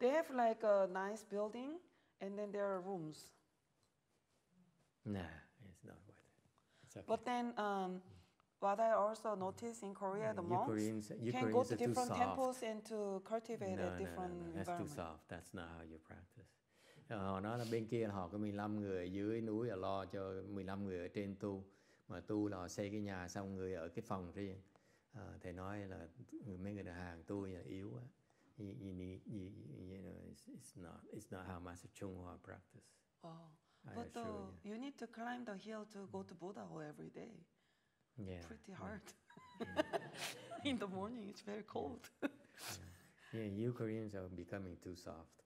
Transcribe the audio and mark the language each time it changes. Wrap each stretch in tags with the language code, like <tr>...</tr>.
<en>They have like a nice building. And then there are rooms. Nah, it's not worth it. Okay. But then, what I also noticed in Korea, the monks Koreans go to different temples and to cultivate a different environment. That's too soft. That's not how you practice.</en> <vi>Họ nói là bên kia họ có 15 người dưới núi lo cho 15 người ở trên tu, mà tu là xây cái nhà xong người ở cái phòng riêng. Thầy nói là mấy người hàng tu yếu quá.</vi> <en>You know, it's not how Master YongHua practice. Oh, but you need to climb the hill to go to Buddha hall every day. Yeah, pretty hard. Yeah. In the morning, it's very cold. Yeah. Yeah, you Koreans are becoming too soft.</en>